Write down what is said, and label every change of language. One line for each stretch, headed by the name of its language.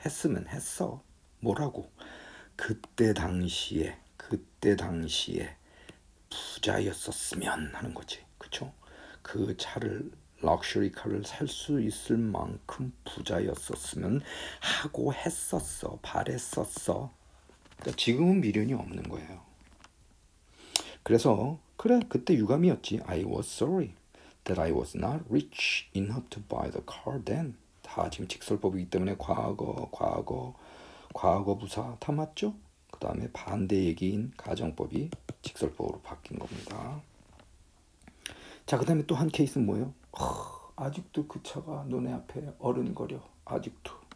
Korean: 했으면 했어. 뭐라고? 그때 당시에 부자였었으면 하는 거지. 그쵸? 그 차를, 럭셔리 카를 살 수 있을 만큼 부자였었으면 하고 했었어. 바랬었어. 그러니까 지금은 미련이 없는 거예요. 그래서 그래, 그때 유감이었지.
English: I was sorry that I was not rich enough to buy the car then.
Korean: 다 지금 직설법이기 때문에 과거 부사 다 맞죠? 그 다음에 반대 얘기인 가정법이 직설법으로 바뀐 겁니다. 자, 그 다음에 또한 케이스는 뭐예요? 아직도 그 차가 눈에 앞에 어른거려. 아직도.